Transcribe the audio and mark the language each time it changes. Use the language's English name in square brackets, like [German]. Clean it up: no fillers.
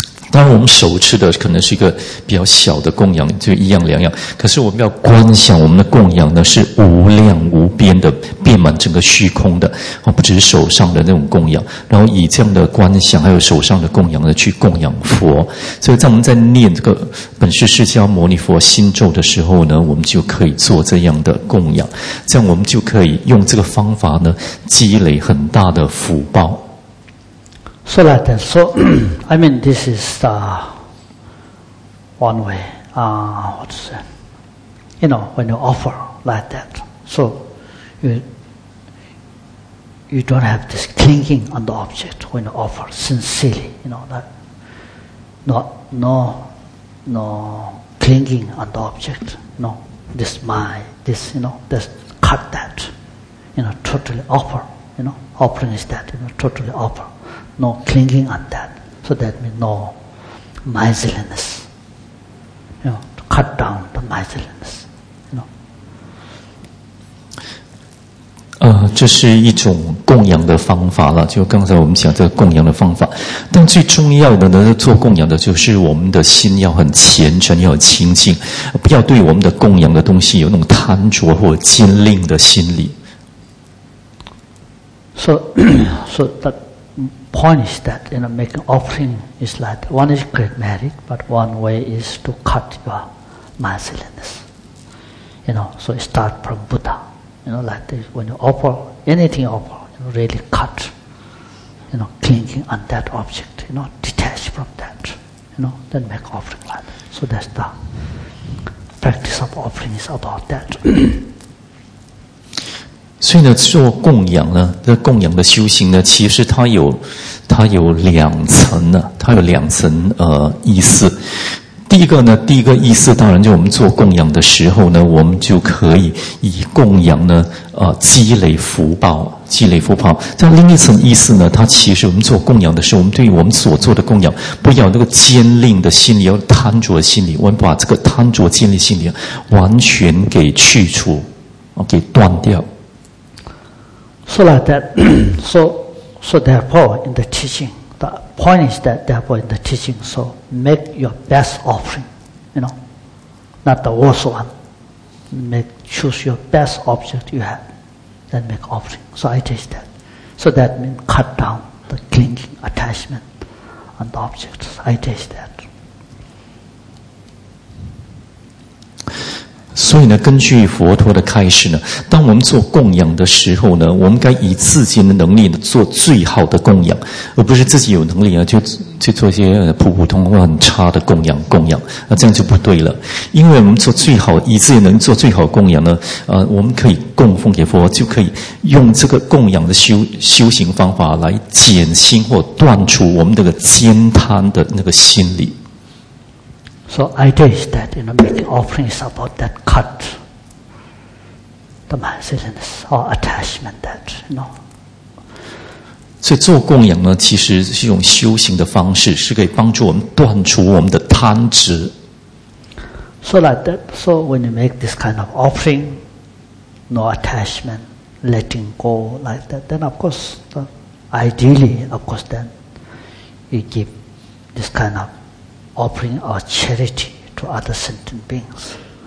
[Chinese] 当然我们手持的可能是一个比较小的供养，就一样两样，可是我们要观想我们的供养呢是无量无边的，遍满整个虚空的，不只是手上的那种供养，然后以这样的观想还有手上的供养呢去供养佛。所以在我们在念这个本师释迦牟尼佛心咒的时候呢，我们就可以做这样的供养，这样我们就可以用这个方法呢积累很大的福报。 [English] So like that, so I mean this is the one way, you know, when you offer like that, so you don't have this clinging on the object when you offer sincerely, you know, that no clinging on the object, you know, this my, this, you know, this cut that, you know, totally offer, you know, offering is that, you know, totally offer. No clinging on that. So that means no miserliness. You know, cut down the miserliness. You know. [Chinese] 这是一种供养的方法了，就刚才我们讲这个供养的方法。但最重要的呢，做供养的就是我们的心要很虔诚，要很清净，不要对我们的供养的东西有那种贪着或禁令的心理。 [English] So that. Point is that, you know, making offering is like, one is great merit, but one way is to cut your miserliness. You know, so start from Buddha. You know, like this, when you offer, anything offer, you know, really cut, you know, clinging on that object, you know, detach from that, you know, then make offering like that. So that's the practice of offering is about that. [Chinese] 所以呢，做供养呢，这供养的修行呢，其实它有两层呢，它有两层意思。第一个呢，第一个意思当然就我们做供养的时候呢，我们就可以以供养呢积累福报，积累福报。在另一层意思呢，它其实我们做供养的时候，我们对于我们所做的供养，不要那个坚定的心理，要贪着的心理，我们把这个贪着坚定心理完全给去除，给断掉。 [English] So like that, so therefore in the teaching, the point is that therefore in the teaching, so make your best offering, you know, not the worst one. Choose your best object you have, then make offering. So I teach that. So that means cut down the clinging attachment on the objects. I teach that. [Chinese] 所以呢，根据佛陀的开示呢，当我们做供养的时候呢，我们该以自己的能力呢做最好的供养，而不是自己有能力啊就做一些普普通通很差的供养，那这样就不对了。因为我们做最好以自己能力做最好的供养呢，我们可以供奉给佛，就可以用这个供养的修行方法来减轻或断除我们这个悭贪的那个心理。 [English] So idea is that, you know, making offering is about that cut, the miserliness or attachment that, you know. [Chinese] 所以做供养呢，其实是一种修行的方式，是可以帮助我们断除我们的贪执。 [English] So like that, so when you make this kind of offering, no attachment, letting go like that, then of course, ideally, of course, then you give this kind ofoffering our charity to other sentient beings.